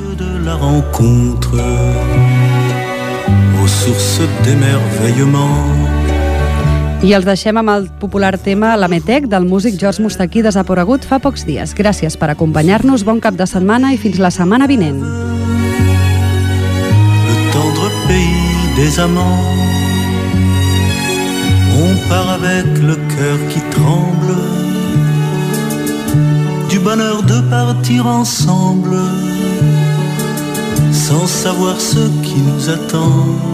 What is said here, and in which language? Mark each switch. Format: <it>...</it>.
<fr>De la rencontre aux sources d'émerveillement.</fr> <ca>I els deixem amb el popular tema L'Ametec, del músic George Mustaquí, desaparegut fa pocs dies. Gràcies per acompanyar-nos, bon cap de setmana i fins la setmana vinent.</ca> <fr>Le tendre pays des amants, on part avec le cœur qui tremble, du bonheur de partir ensemble, sans savoir ce qui nous attend.</fr>